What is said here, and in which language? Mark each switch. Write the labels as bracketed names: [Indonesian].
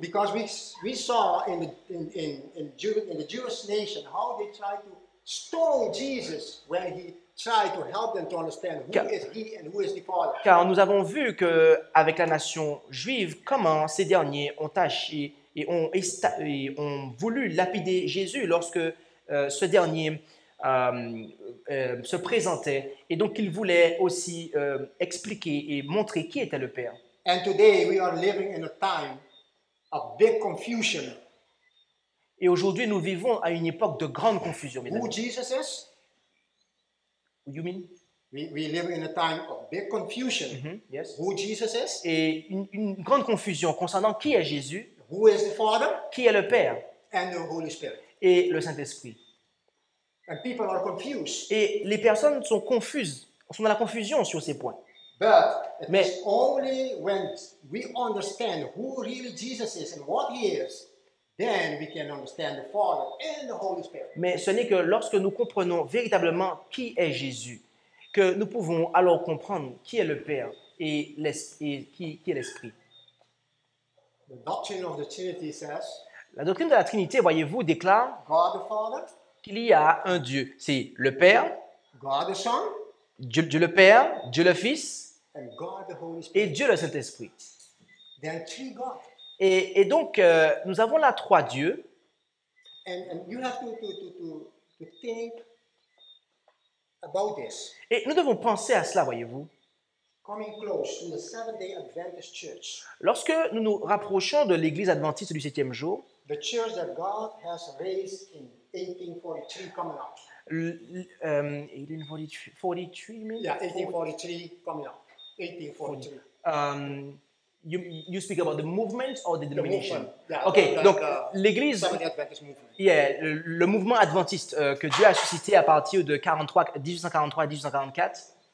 [English] Because we saw in the Jewish nation how they tried to stone Jesus when he tried to help them to understand who is he and who is the Father. [French] Car nous avons vu que avec la nation juive, comment ces derniers ont tâché et ont voulu lapider Jésus lorsque ce dernier se présentait et donc il voulait aussi expliquer et montrer qui était le Père. [English] And today we are living in a time of big confusion. [French] Et aujourd'hui nous vivons à une époque de grande confusion. [English] Who Jesus is? You mean? We live in a time of big confusion. Mm-hmm. Yes. Who Jesus is? [French] Et une grande confusion concernant qui est Jésus. [English] Who is the Father? [French] Qui est le Père? [English] And the Holy Spirit. [French] Et le Saint-Esprit. [English] And people are confused. [French] Et les personnes sont confuses, sont dans la confusion sur ces points. [English] But it's only when we understand who really Jesus is and what he is, then we can understand the Father and the Holy Spirit. [French] Mais ce n'est que lorsque nous comprenons véritablement qui est Jésus que nous pouvons alors comprendre qui est le Père et qui est l'Esprit. [English] The doctrine of the Trinity says. [French] La doctrine de la Trinité, voyez-vous, déclare [English] God the Father, [French] qu'il y a un Dieu. C'est le Père, [English] God the Son, [French] Dieu le Père, Dieu le Fils [English] and God the Holy Spirit. [French] Et Dieu le Saint-Esprit. [English] There are three God. [French] Et donc, nous avons là trois dieux. [English] And you have to think about this. [French] Et nous devons penser à cela, voyez-vous. [English] Coming close to the Seventh-day Adventist Church. [French] Lorsque nous nous rapprochons de l'Église adventiste du septième jour, [English] the church that God has raised in 1843 coming up. 1843, maybe? Yeah, 1843 coming up. 1843. You speak about the movement or the denomination? The movement. Yeah, okay, the, [French] donc [English] the, [French] l'Église, [English] movement. [French] Yeah, le mouvement adventiste que Dieu a suscité à partir de 1843-1844.